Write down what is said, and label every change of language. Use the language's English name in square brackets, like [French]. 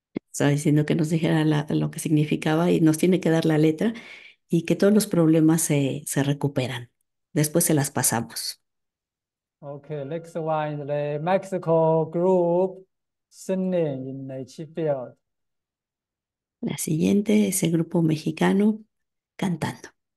[Spanish] Está diciendo que nos dijera lo que significaba y nos tiene que dar la letra y que todos los problemas se recuperan. Después se las pasamos. [English] Okay, next one is the Mexico group singing in the chi field. [Spanish] La siguiente es el grupo mexicano cantando.